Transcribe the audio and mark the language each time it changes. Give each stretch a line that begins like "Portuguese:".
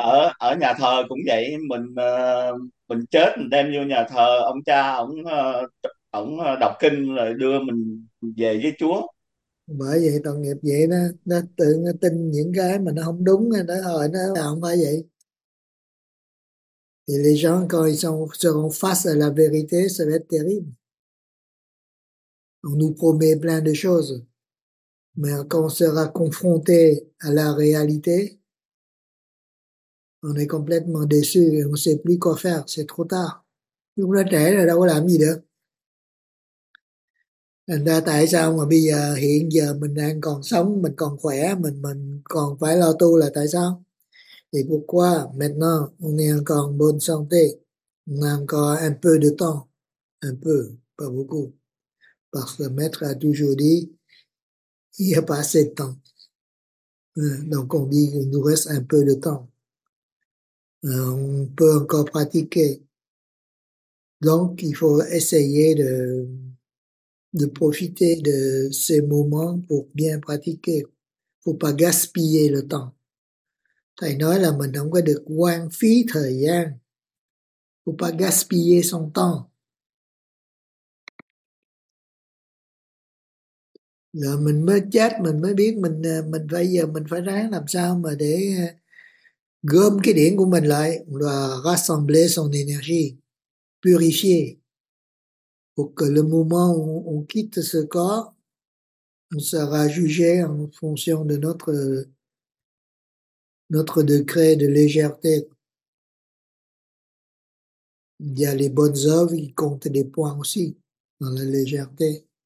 Vietnamese: ở ở nhà thờ cũng vậy, mình chết mình đem vô nhà thờ, ông cha ổng đọc kinh rồi đưa mình về với Chúa. vậy tội nghiệp vậy đó, nó tự nó tin những cái mà nó không đúng rồi đó, hồi nó là không phải vậy.
French: Thì les gens quand ils sont seront face à la vérité, ça va être terrible. On nous promet plein de choses. Mais quand on sera confronté à la réalité, on est complètement déçu et on ne sait plus quoi faire. C'est trop tard.
Vietnamese: Lúc nó trẻ rồi đâu có làm gì được. Thành ra tại sao mà bây giờ hiện giờ mình đang còn sống, mình còn khỏe, mình còn phải lo tu là tại sao? Thì vừa qua,
French: maintenant, on est encore en bonne santé. On a encore un peu de temps. Un peu, pas beaucoup. Parce que le maître a toujours dit, il n'y a pas assez de temps. Donc on dit qu'il nous reste un peu de temps. On peut encore pratiquer. Donc il faut essayer de profiter de ces moments pour bien pratiquer. Faut pas gaspiller le temps.
Vietnamese: Thầy nói là mình không có được hoang phí thời gian.
French: Faut pas gaspiller son temps.
Vietnamese: Là mình mới chết mình mới biết mình phải giờ mình phải ráng làm sao mà để gom cái điển của mình lại và
French: rassembler son énergie, purifier pour que le moment où on quitte ce corps, on sera jugé en fonction de notre degré de légèreté. Il y a les bonnes œuvres qui comptent des points aussi dans la légèreté.